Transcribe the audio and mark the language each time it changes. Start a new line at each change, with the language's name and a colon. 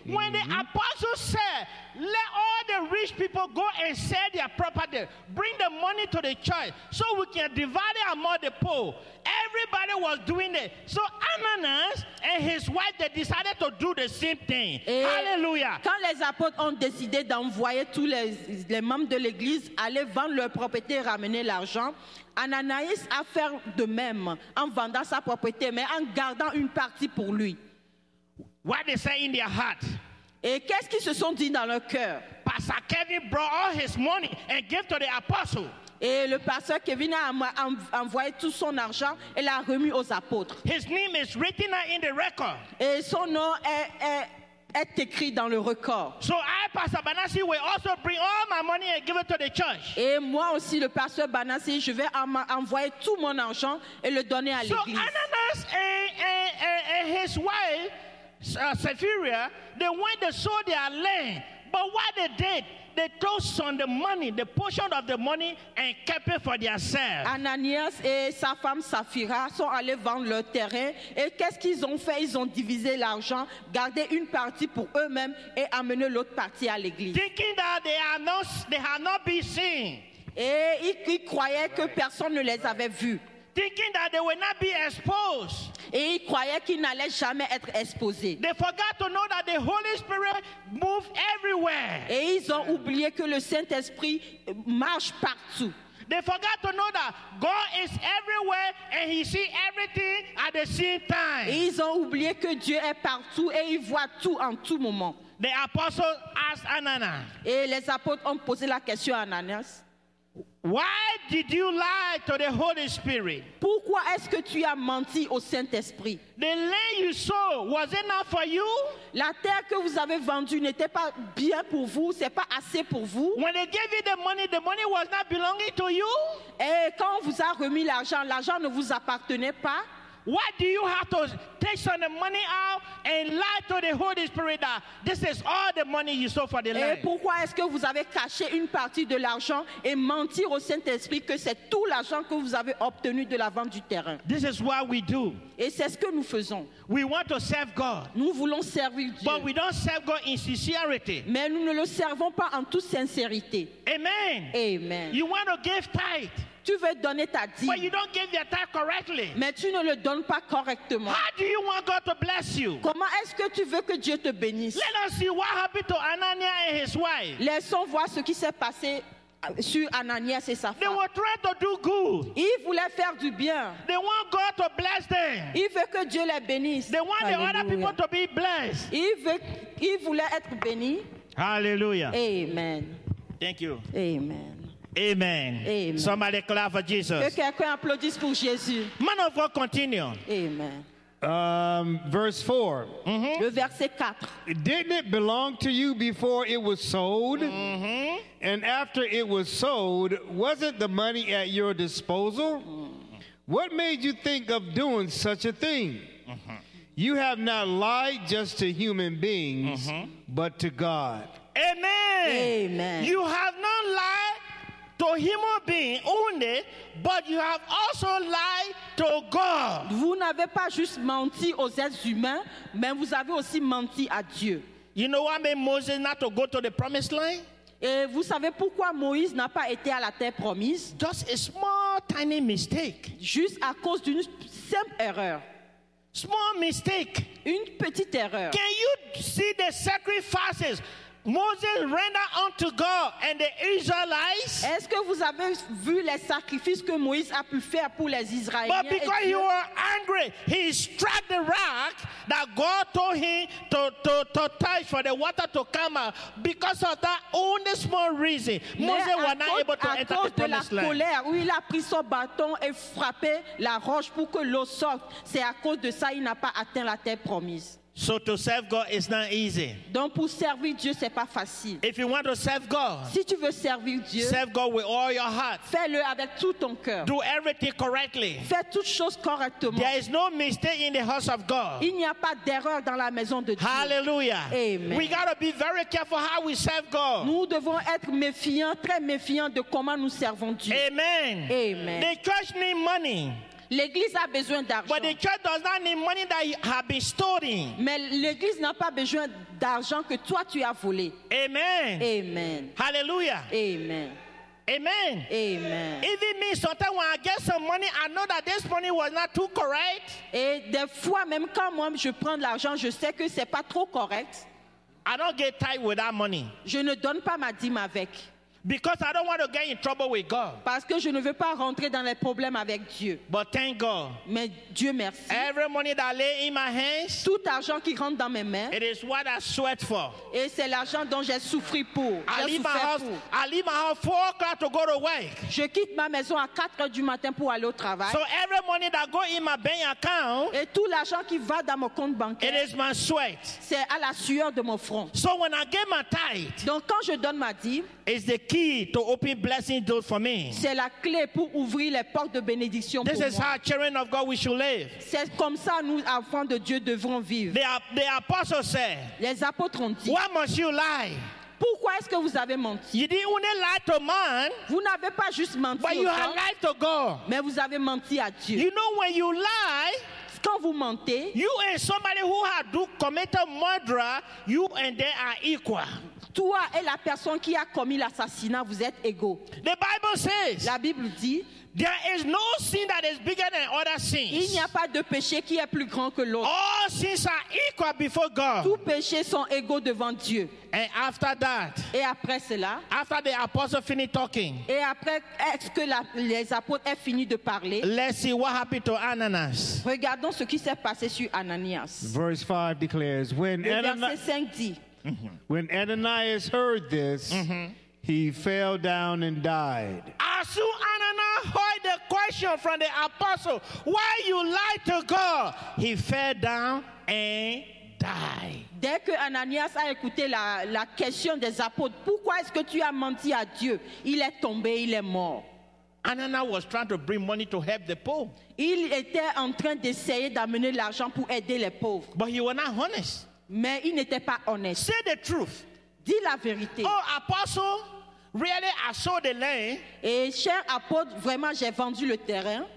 English: When the apostles said, let all the rich people go and sell their property, bring the money to the church so we can divide it among the poor. Everybody was doing it. So Ananias and his wife, they decided to do the same thing.
French: Et hallelujah. Quand les apôtres ont décidé d'envoyer tous les membres de l'église aller vendre leur propriété et ramener l'argent, Ananias a fait de même en vendant sa propriété, mais en gardant une partie pour lui.
English: What they say in their heart?
French: Et qu'est-ce qu'ils se sont dit dans leur cœur?
English: Pastor Kevin brought all his money and gave to the apostles.
French: Et le pasteur Kevin a envoyé tout son argent et l'a remis aux apôtres.
English: His name is written in the record.
French: Et son nom est écrit dans le record.
English: So I, Pastor Banassi, will also bring all my money and give it to the church.
French: Et moi aussi, le pasteur Banassi, je vais envoyer tout mon argent et le donner à l'église.
English: So Ananias and his wife, Sapphira, they went and sold their land. But what they did, they took some of the money, the portion of the money, and kept it for themselves.
French: Ananias et sa femme Sapphira sont allés vendre leur terrain. Et qu'est-ce qu'ils ont fait? Ils ont divisé l'argent, gardé une partie pour eux-mêmes et amené l'autre partie à l'église.
English: Thinking that they had not been seen.
French: Et ils croyaient que personne ne les avait vus.
English: Thinking that they will not be exposed.
French: Et ils croyaient qu'ils n'allaient jamais être exposés.
English: They forgot to know that the Holy Spirit moves everywhere.
French: Et ils ont oublié que le Saint-Esprit marche partout.
English: They forgot to know that God is everywhere and he sees everything at the same time.
French: Et ils ont oublié que Dieu est partout et il voit tout en tout moment.
English: The apostle asked Ananias.
French: Et les apôtres ont posé la question à Ananias.
English: Why did you lie to the Holy Spirit?
French: Pourquoi est-ce que tu as menti au Saint-Esprit?
English: The land you sold, was it not for you?
French: La terre que vous avez vendue n'était pas bien pour vous, c'est pas assez pour vous?
English: When they gave you the money was not belonging to you?
French: Et quand on vous a remis l'argent, l'argent ne vous appartenait pas?
English: Why do you have to take some of the money out and lie to the Holy Spirit that this is all the money you sold for the land?
French: Et pourquoi est-ce que vous avez caché une partie de l'argent et mentir au Saint-Esprit que c'est tout l'argent que vous avez obtenu de la vente du terrain?
English: This is what we do.
French: Et c'est ce que nous faisons.
English: We want to serve God.
French: Nous voulons servir Dieu.
English: But we don't serve God in sincerity.
French: Mais nous ne le servons pas en toute sincérité. Amen. Amen.
English: You want to give tithe.
French: Tu veux donner ta dîme.
English: But you don't give your tithe correctly.
French: Mais tu ne le donnes pas correctement.
English: How do you want God to bless you?
French: Comment est-ce que tu veux que Dieu te bénisse?
English: Let us see what happened to Ananias and his wife.
French: Laissons voir ce qui s'est passé sur Ananias et sa femme.
English: They were trying to do good.
French: Ils voulaient faire du bien.
English: They want God to bless them.
French: Ils veulent que Dieu les bénisse.
English: They want Alleluia. The other people to be blessed.
French: Ils voulaient être bénis. Hallelujah. Amen.
English: Thank you. Amen. Amen. Amen. Somebody clap for Jesus.
French: Que quelqu'un applaudisse pour Jésus.
English: Man of God, continue. Amen. Verse 4.
French: Mm-hmm. Le verset 4.
English: Didn't it belong to you before it was sold? Mm-hmm. And after it was sold, wasn't the money at your disposal? Mm-hmm. What made you think of doing such a thing? Mm-hmm. You have not lied just to human beings, mm-hmm. but to God. Amen. Amen. You have not lied to human being only, but you have also lied to God.
French: Vous n'avez pas juste menti aux êtres humains, mais vous avez aussi menti à Dieu.
English: You know what made Moses not to go to the promised land?
French: Vous savez pourquoi Moïse n'a pas été à la terre promise?
English: Just a small, tiny mistake.
French: Juste à cause d'une simple erreur.
English: Small mistake.
French: Une petite erreur.
English: Can you see the sacrifices Moses rendered unto God and the Israelites?
French: Est-ce que vous avez vu les sacrifices que Moïse a pu faire pour les Israéliens?
English: But because he was angry, he struck the rock that God told him to touch for the water to come out. Because of that only small reason, Moses was not able to enter the promised land.
French: À cause de la colère, où il a pris son bâton et frappé la roche pour que l'eau sorte, c'est à cause de ça il n'a pas atteint la terre promise.
English: So to serve God is not easy.
French: Donc pour servir Dieu, c'est pas facile.
English: If you want to serve God,
French: si tu veux servir Dieu,
English: serve God with all your heart.
French: Fais-le avec tout ton cœur.
English: Do everything correctly.
French: Fais toutes choses correctement.
English: There is no mistake in the house of God.
French: Il n'y a pas d'erreur dans la maison de Dieu. Hallelujah. Amen.
English: We gotta be very careful how we serve God.
French: Nous devons être méfiants, très méfiants de comment nous servons Dieu. Amen. Amen.
English: The church needs money.
French: L'église a besoin d'argent.
English: But the church does not need money that you have been stolen.
French: Mais l'église n'a pas besoin d'argent que toi tu as volé. Amen. Amen. Hallelujah. Amen. Amen. Amen.
English: Even me, sometimes when I get some money, I know that this money was not too correct.
French: Et des fois même quand moi je prends de l'argent, je sais que c'est pas trop correct.
English: I don't get tight with that money.
French: Je ne donne pas ma dîme avec.
English: Because I don't want to get in trouble with God.
French: Parce que je ne veux pas rentrer dans les problèmes avec Dieu.
English: But thank God.
French: Mais Dieu merci.
English: Every money that lay in my hands.
French: Tout argent qui rentre dans mes mains.
English: It is what I sweat for.
French: Et c'est l'argent dont j'ai souffri pour.
English: I leave my house 4 o'clock to go to work.
French: Je quitte ma maison à 4 heures du matin pour aller au travail.
English: So every money that go in my bank account.
French: Et tout l'argent qui va dans mon compte bancaire.
English: It is my sweat.
French: C'est à la sueur de mon front.
English: So when I get my tithe.
French: Donc quand je donne ma dîme.
English: It's the key to open blessing doors for me.
French: C'est la clé pour ouvrir les portes de bénédiction pour moi.
English: This is how children of God we should live.
French: C'est comme ça nous enfants de Dieu devrons vivre.
English: The apostles said.
French: Les apôtres ont dit.
English: Why must you lie?
French: Pourquoi est-ce que vous avez menti?
English: You didn't only lie to man.
French: Vous n'avez pas juste menti.
English: But you have lied to God.
French: Mais vous avez menti à Dieu.
English: You know when you lie.
French: Quand vous mentez.
English: You and somebody who had do committed murder, you and they are equal.
French: Toi et la personne qui a commis l'assassinat, vous êtes égaux.
English: The Bible says,
French: la Bible dit,
English: there is no sin that is bigger than other sins.
French: Il n'y a pas de péché qui est plus grand que l'autre.
English: All sins are equal before God.
French: Tous péchés sont égaux devant Dieu.
English: And after that,
French: et après cela,
English: after the apostles finished talking,
French: et après est-ce que les apôtres aient fini de parler,
English: let's see what happened to Ananias.
French: Regardons ce qui s'est passé sur Ananias.
English: Verse 5 declares, when Ananias heard this, he fell down and died. As soon as Ananias heard the question from the apostle, why you lie to God? He fell down and died.
French: Dès que Ananias a écouté la question des apôtres, pourquoi est-ce que tu as menti à Dieu? Il est tombé, il est mort.
English: Ananias was trying to bring money to help the poor.
French: Il était en train d'essayer d'amener l'argent pour aider les pauvres.
English: But he was not honest.
French: Mais il n'était pas honnête.
English: Say the truth.
French: Dis la vérité.
English: Oh, apostle, really, I sold the land.
French: Et cher apôtre, vraiment, j'ai vendu le terrain.